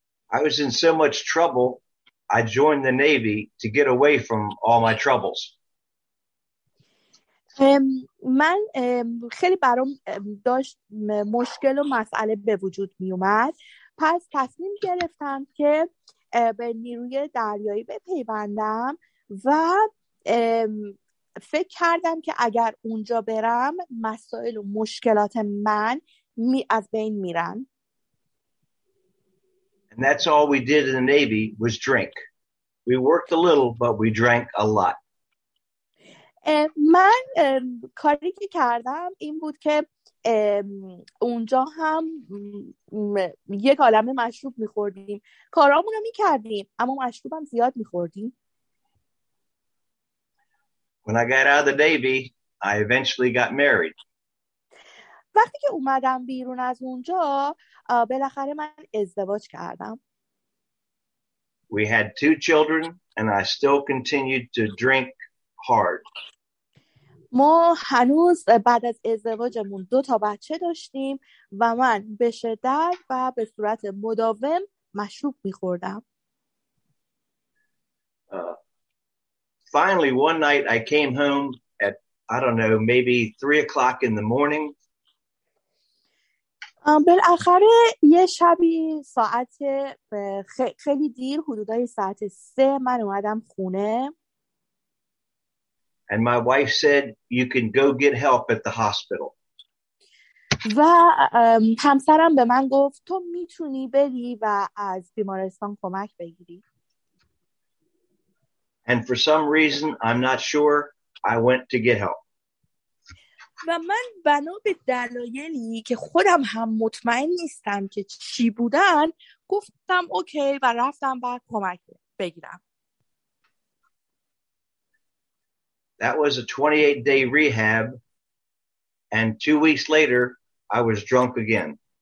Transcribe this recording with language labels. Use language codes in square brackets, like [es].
[en] I was in so much trouble, I joined the Navy to get away from all my troubles. [fa] من خیلی برام داشت مشکل و مسئله به وجود می اومد. پس تصمیم گرفتم که به نیروی دریایی بپیوندم و فکر کردم که اگر اونجا برم مسائل و مشکلات من از بین میرن. [en] And that's all we did in the Navy was drink. We worked a little, but we drank a lot. [fa] من کاری که کردم این بود که اونجا هم یک عالمه مشروب می‌خوردیم. کارامون رو می‌کردیم، اما مشروبم زیاد می‌خوردیم. [en] When I got out of the Navy, I eventually got married. [fa] وقتی که اومدم بیرون از اونجا بالاخره من ازدواج کردم. [en] We had 2 children and I still continued to drink hard. [fa] ما هنوز بعد از ازدواجمون 2 بچه داشتیم و من به شدت و به صورت مداوم مشروب می‌خوردم. [en] Finally one night I came home at I don't know maybe 3:00 in the morning. [fa] بالاخره یه شبی ساعت خیلی دیر حدودای ساعت 3 من اومدم خونه. [en] And my wife said you can go get help at the hospital. [fa] و همسرم به من گفت تو میتونی بری و از بیمارستان کمک بگیری. [en] And for some reason I'm not sure I went to get help. [fa] و من بنا به دلایلی که خودم هم مطمئن نیستم که چی بودن گفتم اوکی و رفتم و کمک بگیرم. [en] That was a 28 day rehab and 2 weeks later I was drunk again.